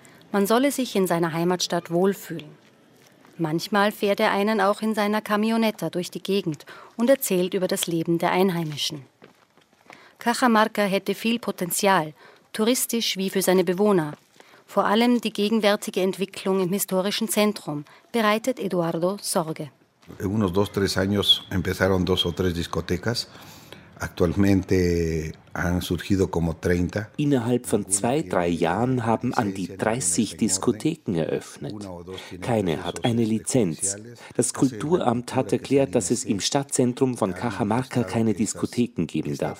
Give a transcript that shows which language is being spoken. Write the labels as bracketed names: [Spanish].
[German] Man solle sich in seiner Heimatstadt wohlfühlen. Manchmal fährt er einen auch in seiner Camionetta durch die Gegend und erzählt über das Leben der Einheimischen. Cajamarca hätte viel Potenzial, touristisch wie für seine Bewohner. Vor allem die gegenwärtige Entwicklung im historischen Zentrum bereitet Eduardo Sorge. [Spanish] In unos dos, tres años empezaron dos o tres discotecas. Actualmente han surgido como 30. [German] Innerhalb von 2-3 Jahren haben an die 30 Diskotheken eröffnet. Keine hat eine Lizenz. Das Kulturamt hat erklärt, dass es im Stadtzentrum von Cajamarca keine Diskotheken geben darf.